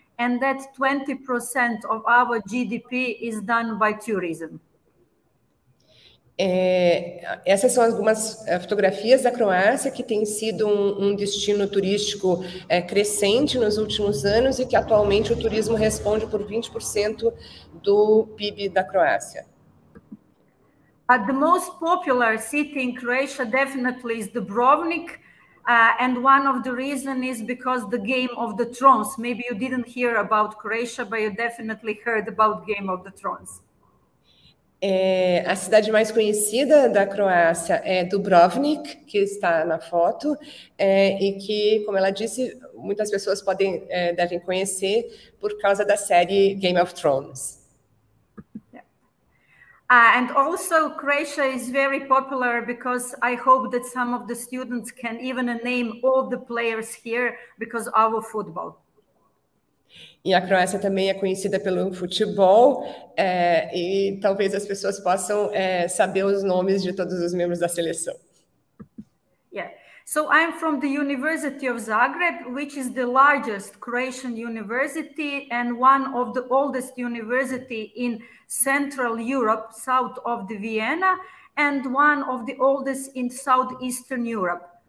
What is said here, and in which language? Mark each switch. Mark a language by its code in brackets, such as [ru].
[en] and that 20% of our GDP is done by tourism. [pt] É, essas são algumas fotografias da Croácia, que tem sido um destino turístico crescente nos últimos anos e que atualmente o turismo responde por 20% do PIB da Croácia. [en] But the most popular city in Croatia definitely is Dubrovnik, and one of the reasons is because the Game of the Thrones. Maybe you didn't hear about Croatia, but you definitely heard about Game of the Thrones. [pt] É, a cidade mais conhecida da Croácia é Dubrovnik, que está na foto, e que, como ela disse, muitas pessoas podem, devem conhecer por causa da série Game of Thrones. [en] And also, Croatia is very popular because I hope that some of the students can even name all the players here because of our football. [pt] E a Croácia também é conhecida pelo futebol, e talvez as pessoas possam saber os nomes de todos os membros da seleção. [en] Yeah. So I'm from the University of Zagreb, which is the largest Croatian university and one of the oldest university in Central Europe, south of the Vienna, and one of the oldest in Southeastern Europe.